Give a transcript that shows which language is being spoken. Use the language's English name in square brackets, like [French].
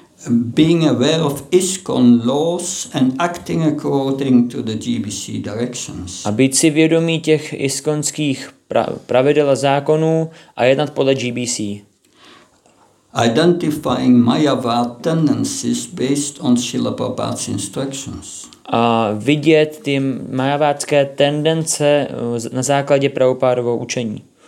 [English] Being aware of ISKCON laws and acting according to the GBC directions. [Czech] A být si vědomí těch ISKCONských pravidel a zákonů a jednat podle GBC. [English] Identifying Mayavad tendencies based on Srila Prabhupada's instructions. [Czech] A vidět ty mayavádské tendence na základě Prabhupádovo učení.